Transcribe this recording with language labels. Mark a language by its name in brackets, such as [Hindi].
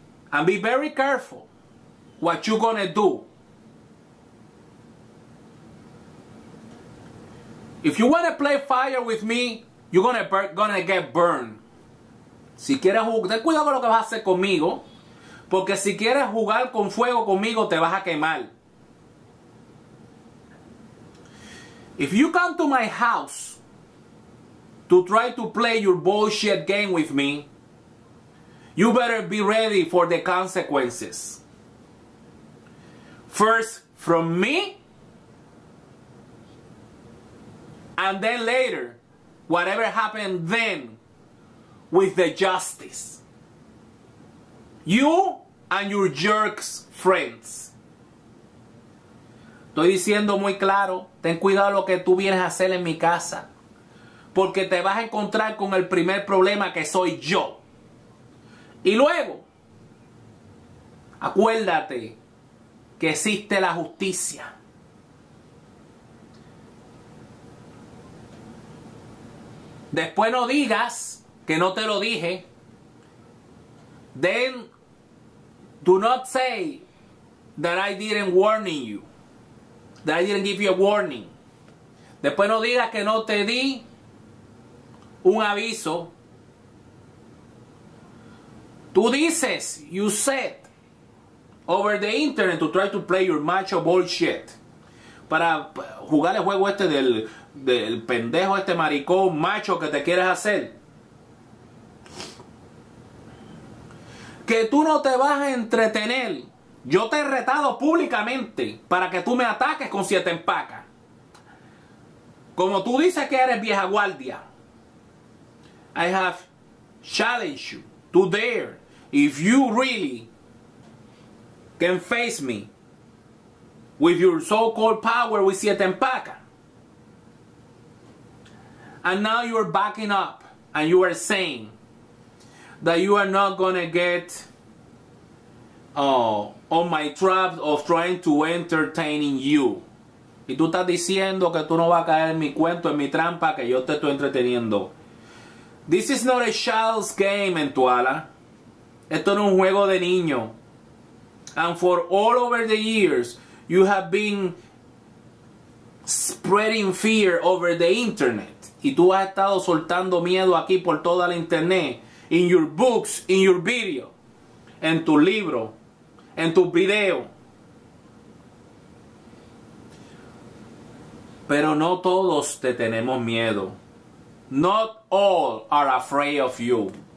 [English] And be very careful what you're gonna do. If you want to play fire with me, you're gonna get burned. [Spanish] Si quieres jugar, ten cuidado con lo que vas a hacer conmigo, porque si quieres jugar con fuego conmigo, te vas a quemar. [English] If you come to my house to try to play your bullshit game with me, you better be ready for the consequences. First from me, and then later, whatever happened then with the justice. You and your jerks friends. [Spanish] Estoy diciendo muy claro, ten cuidado lo que tú vienes a hacer en mi casa. Porque te vas a encontrar con el primer problema que soy yo. Y luego, acuérdate que existe la justicia. Después no digas que no te lo dije. [English] Then, do not say that I didn't warn you. That I didn't give you a warning. [Spanish] Después no digas que no te di un aviso. Tú dices, [English] you said, over the internet to try to play your macho bullshit. [Spanish] Para jugar el juego este del pendejo, este maricón macho que te quieres hacer. Que tú no te vas a entretener. Yo te he retado públicamente para que tú me ataques con siete empacas. Como tú dices que eres vieja guardia. [English] I have challenged you to dare. If you really can face me with your so-called power with siete empacas. And now you are backing up and you are saying that you are not going to get on my trap of trying to entertaining you. [Spanish] Y tú estás diciendo que tú no vas a caer en mi cuento, en mi trampa, que yo te estoy entreteniendo. [English] This is not a child's game, [Spanish] Entuala. Esto no es un juego de niño. [English] And for all over the years, you have been spreading fear over the internet. [Spanish] Y tú has estado soltando miedo aquí por toda la internet. [English] In your books, in your video. [Spanish] En tu libro. En tu video. Pero no todos te tenemos miedo. [English] Not all are afraid of you.